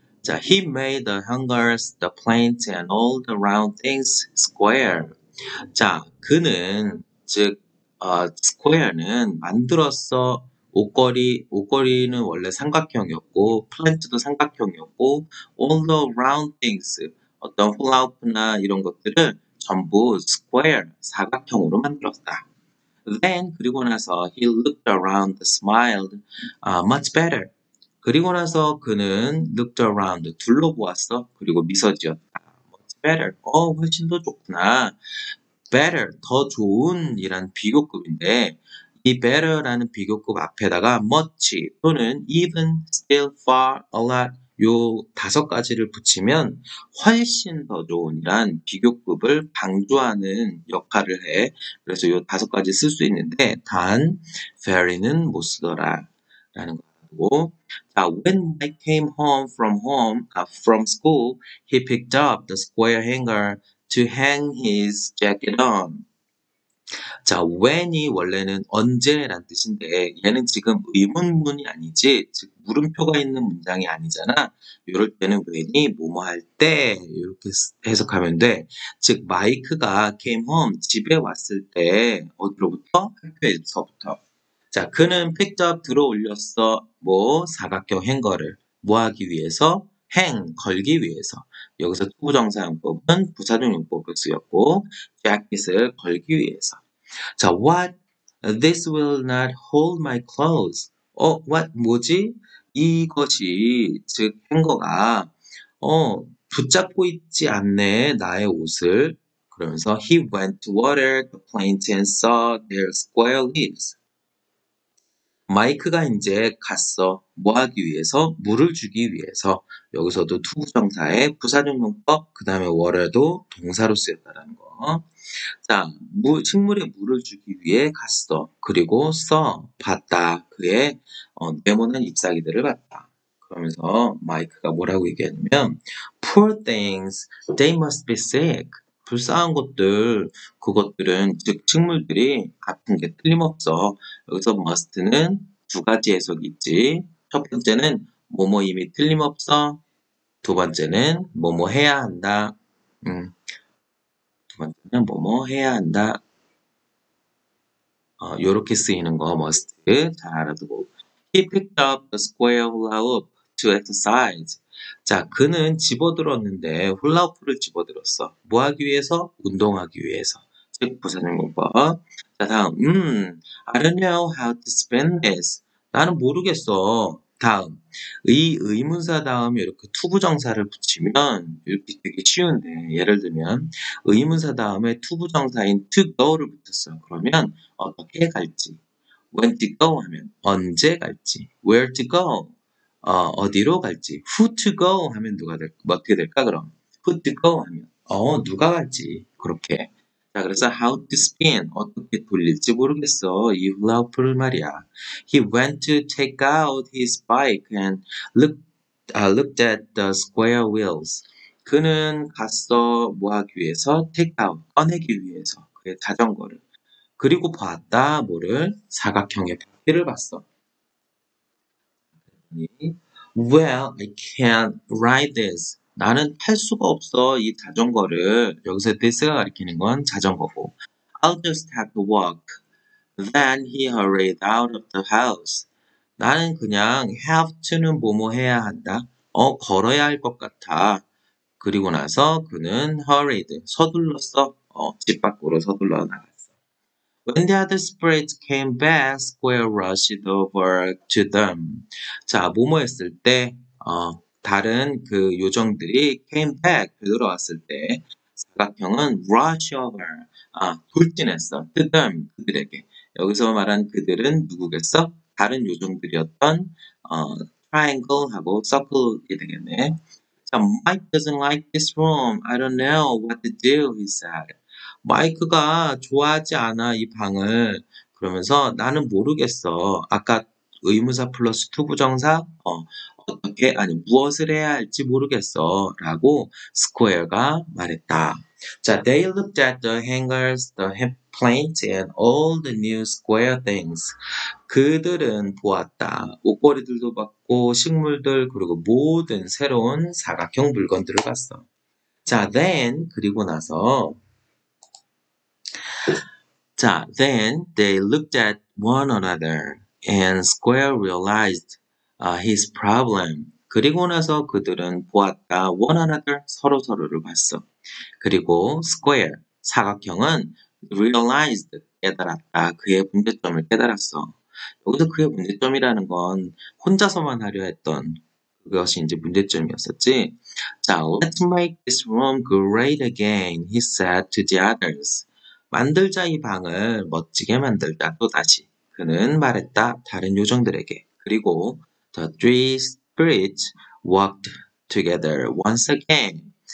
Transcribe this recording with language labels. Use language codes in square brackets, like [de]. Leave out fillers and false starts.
[en] 자, he made the hangers, the plants, and all the round things square. [ko] 자, 그는 즉 스퀘어는 만들었어. 옷걸이는 원래 삼각형이었고, 플랜트도 삼각형이었고, [en] all the round things, [ko] 어떤 훌라후프나 이런 것들을 전부 스퀘어, 사각형으로 만들었다. [en] Then, [ko] 그리고 나서, [en] he looked around, smiled, much better. [ko] 그리고 나서 그는 [en] looked around, [ko] 둘러보았어. 그리고 미소 지었다. [en] Much better. [ko] 훨씬 더 좋구나. better, 더 좋은이란 비교급인데, 이 better라는 비교급 앞에다가 much 또는 even, still, far, a lot, 요 다섯 가지를 붙이면 훨씬 더 좋은이란 비교급을 강조하는 역할을 해. 그래서 요 다섯 가지 쓸수 있는데, 단, very는 못 쓰더라. 라는 거 [en] 자, when Mike came home from home, from school, he picked up the square hanger to hang his jacket on. [ko] 자, when이 원래는 언제란 뜻인데, 얘는 지금 의문문이 아니지, 즉, 물음표가 있는 문장이 아니잖아. 이럴 때는 when이 뭐뭐 할 때, 이렇게 해석하면 돼. 즉, 마이크가 [en] came home, [ko] 집에 왔을 때, 어디로부터? 학교에서부터. 자, 그는 [en] picked up, [ko] 들어 올렸어. 뭐, 사각형 행거를. 뭐 하기 위해서? 행, 걸기 위해서. 여기서 투부정사용법은 부사정용법을 쓰였고, 재킷을 걸기 위해서. [en] 자, what? This will not hold my clothes. 어, what? [ko] 뭐지? 이것이, 즉, 행거가, 어, 붙잡고 있지 않네, 나의 옷을. [en] 그러면서, he went to water the plant and saw their square leaves. [ko] 마이크가 이제 갔어. 뭐 하기 위해서? 물을 주기 위해서. 여기서도 투부정사의 부사정용법, 그 다음에 water도 동사로 쓰였다라는 거. 자, 식물에 물을 주기 위해 갔어. 그리고 saw, 봤다. 그의 네모난 잎사귀들을 봤다. 그러면서 마이크가 뭐라고 얘기하냐면, [en] poor things, they must be sick. [ko] 불쌍한 것들, 그것들은, 즉 식물들이 아픈 게 틀림없어. 여기서 must는 두 가지 해석이 있지. 첫 번째는 뭐뭐 이미 틀림없어. 두 번째는 뭐뭐 해야 한다. 두 번째는 뭐뭐 해야 한다. 이렇게 쓰이는 거 must 잘 알아두고. [en] He picked up the square hula-hoop to exercise. [ko] 자, 그는 집어들었는데 훌라후프를 집어들었어. 뭐 하기 위해서? 운동하기 위해서. 즉, 부사정용법. [en] 자, [ko] 다음. [en] I don't know how to spend this. [ko] 나는 모르겠어. 다음. 이 의문사 다음에 이렇게 투부정사를 붙이면 이렇게 되게 쉬운데, 예를 들면 의문사 다음에 투부정사인 to go를 붙였어. 그러면 어떻게 갈지. [en] When to go [ko] 하면 언제 갈지. [en] Where to go. [ko] 어디로 갈지. [en] Who to go [ko] 하면 누가 될, 어떻게 될까, 그럼? [en] Who to go [ko] 하면, 누가 갈지. 그렇게. 자, 그래서 [en] how to spin. [ko] 어떻게 돌릴지 모르겠어. 이 훌라후프를 말이야. [en] He went to take out his bike and looked at the square wheels. [ko] 그는 갔어. 뭐 하기 위해서? [en] Take out. [ko] 꺼내기 위해서. 그의 자전거를. 그리고 봤다. 뭐를? 사각형의 바퀴를 봤어. [en] Well, I can't ride this. [ko] 나는 탈 수가 없어, 이 자전거를. 여기서 this가 가리키는 건 자전거고. [en] I'll just have to walk. Then he hurried out of the house. [ko] 나는 그냥 [en] have to는 [ko] 뭐뭐 해야 한다. 걸어야 할 것 같아. 그리고 나서 그는 hurried, 서둘렀어. 집 밖으로 서둘러 나갔어. [en] When the other spirits came back, Square rushed over to them. [ko] 자, 뭐뭐 했을 때, 다른 그 요정들이 [en] came back, [ko] 되돌아왔을 때, 사각형은 [en] rush over, [ko] 돌진했어, [en] to them, [ko] 그들에게. 여기서 말한 그들은 누구겠어? 다른 요정들이었던 triangle하고 circle이 되겠네. [en] 자, Mike doesn't like this room. I don't know what to do, he said. [ko] 마이크가 좋아하지 않아, 이 방을. 그러면서 나는 모르겠어. 아까 의문사 플러스 투부정사? 어떻게, 아니, 무엇을 해야 할지 모르겠어. 라고 스퀘어가 말했다. [en] 자, they looked at the hangers, the plants, and all the new square things. [ko] 그들은 보았다. 옷걸이들도 봤고, 식물들, 그리고 모든 새로운 사각형 물건들을 봤어. [en] 자, then, [ko] 그리고 나서, [en] 자, then they looked at one another and Square realized his problem. [ko] 그리고 나서 그들은 보았다. [en] One another, [ko] 서로서로를 봤어. 그리고 Square, 사각형은 realized, 깨달았다. 그의 문제점을 깨달았어. 여기서 그의 문제점이라는 건 혼자서만 하려 했던 그것이 이제 문제점이었었지. [en] 자, let's make this room great again, he said to the others. [ko] 만들자, 이 방을 멋지게 만들자. 또 다시 그는 말했다, 다른 요정들에게. 그리고 [en] the three spirits walked together once again.